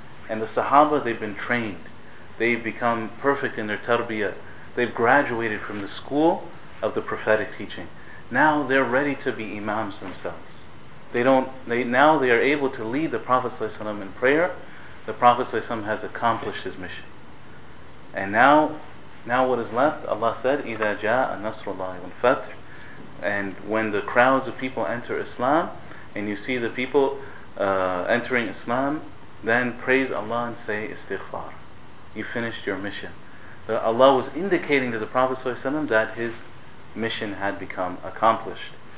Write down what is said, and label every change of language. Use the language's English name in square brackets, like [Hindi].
[English] And the Sahaba, they've been trained. They've become perfect in their tarbiyah. They've graduated from the school of the prophetic teaching. Now they're ready to be imams themselves. Now they are able to lead the Prophet ﷺ in prayer. The Prophet ﷺ has accomplished his mission. And now what is left? Allah said, [Arabic] إِذَا جَاءَ نَصْرُ اللَّهِ وَالْفَتْحُ. [English] And when the crowds of people enter Islam, and you see the people entering Islam, then praise Allah and say istighfar. You finished your mission. Allah was indicating to the Prophet ﷺ that his mission had become accomplished.